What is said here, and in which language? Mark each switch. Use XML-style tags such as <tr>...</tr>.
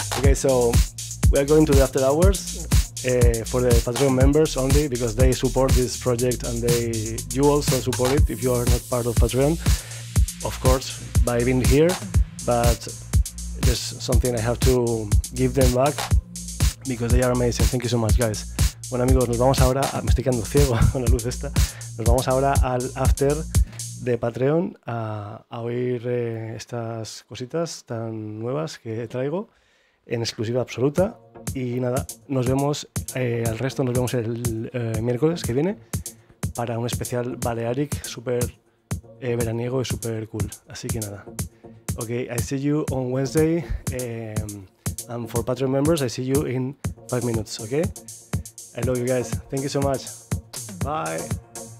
<en>Okay, so we are going to the after hours for the Patreon members only, because they support this project and you also support it if you are not part of Patreon, of course, by being here. But there's something I have to give them back, because they are amazing. Thank you so much, guys.</en> <es>Bueno, amigos, nos vamos ahora. Me estoy quedando ciego con la luz esta. Nos vamos ahora al after de Patreon a oír estas cositas tan nuevas que traigo en exclusiva absoluta. Y nada, nos vemos al resto, nos vemos el miércoles que viene para un especial Balearic súper veraniego y súper cool. Así que nada.</es> <en>Ok, I see you on Wednesday. And for Patreon members, I see you in 5 minutes, ok? I love you guys. Thank you so much. Bye.</en>